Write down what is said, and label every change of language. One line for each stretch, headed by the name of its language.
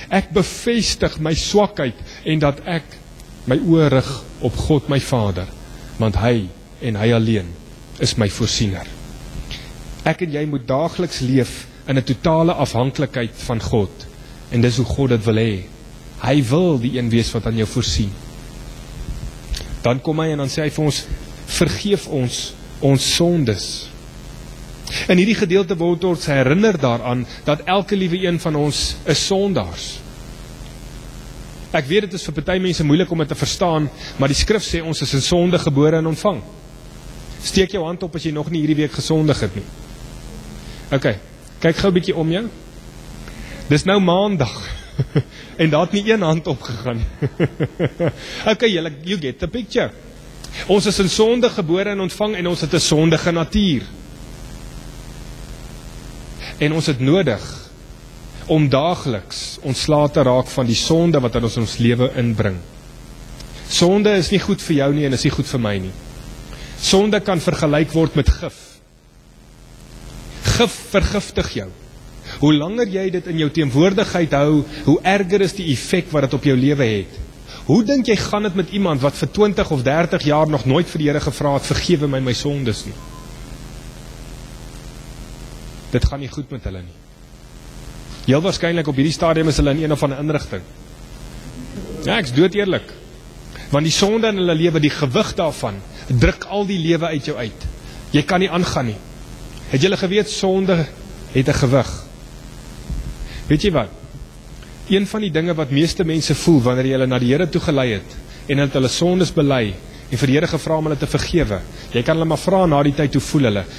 Afrikaans: Ek bevestig my swakheid en dat ek my oor rig op God my Vader, want hy en hy alleen is my voorsiener. Ek en jy moet dagliks leef in 'n totale afhanklikheid van God en dis hoe God dit wil hê. Hy wil die een wees wat aan jou voorsien. Dan kom hy en dan sê hy vir ons, vergeef ons ons sondes. In hierdie gedeelte word ons herinner daaraan dat elke liewe een van ons is sondaars. Ek weet het is vir party mense moeilik om het te verstaan, maar die skrif sê ons is in sonde gebore en ontvang. Steek jou hand op as jy nog nie hierdie week gesondig het nie. Ok, kyk gauw bietjie om jou. Dis nou maandag en daar het nie een hand opgegaan.
English: Ok, you get the picture.
Afrikaans: Ons is in sonde gebore en ontvang en ons het 'n sondige natuur. En ons het nodig om dageliks ontslae te raak van die sonde wat in ons lewe inbring. Sonde is nie goed vir jou nie en is nie goed vir my nie. Sonde kan vergelyk word met gif. Gif vergiftig jou. Hoe langer jy dit in jou teenwoordigheid hou, hoe erger is die effek wat het op jou lewe het. Hoe dink jy gaan het met iemand wat vir 20 of 30 jaar nog nooit vir die Here gevra het, vergewe my my sondes nie? Dit gaan nie goed met hulle nie. Heel waarschijnlijk op hierdie stadium is hulle in een of ander inrichting. Ja, ek is dood eerlik. Want die sonde in hulle lewe, die gewig daarvan, druk al die lewe uit jou uit. Jy kan nie aangaan nie. Het julle geweet, sonde het 'n gewig. Weet jy wat? Een van die dinge wat meeste mense voel, wanneer jy hulle na die Here toe gelei het, en het hulle sondes bely, en vir die Here gevra om hulle te vergewe, jy kan hulle maar vra na die tyd, hoe voel hulle?